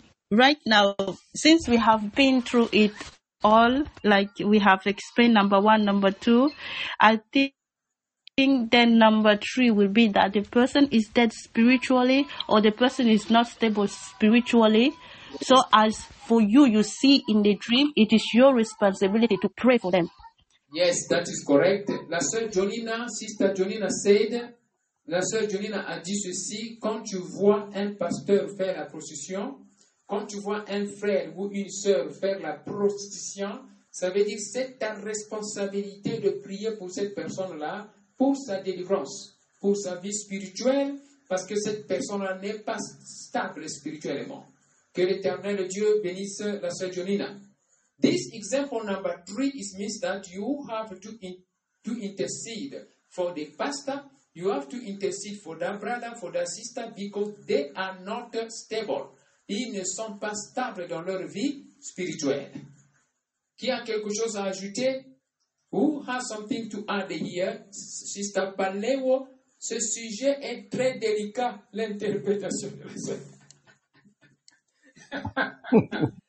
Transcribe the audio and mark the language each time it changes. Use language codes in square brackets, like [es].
[en] Right now, since we have been through it all, like we have explained number one, number two, I think then number three will be that the person is dead spiritually or the person is not stable spiritually. So as for you, you see in the dream, it is your responsibility to pray for them. Yes, that is correct. [fr] La sœur Jolina, [en] sister Jolina said, [fr] la sœur Jolina a dit ceci, quand tu vois un pasteur faire la prostitution, quand tu vois un frère ou une sœur faire la prostitution, ça veut dire que c'est ta responsabilité de prier pour cette personne-là, pour sa délivrance, pour sa vie spirituelle, parce que cette personne-là n'est pas stable spirituellement. Que l'Éternel Dieu bénisse la sœur Jolina. [en] This example number three is means that you have to intercede for the pastor. You have to intercede for that brother, for that sister, because they are not stable. [fr] Ils ne sont pas stables dans leur vie spirituelle. Qui a quelque chose à ajouter? [en] Who has something to add here? [fr] Sister Paleo, ce sujet est très délicat, l'interprétation de la sœur.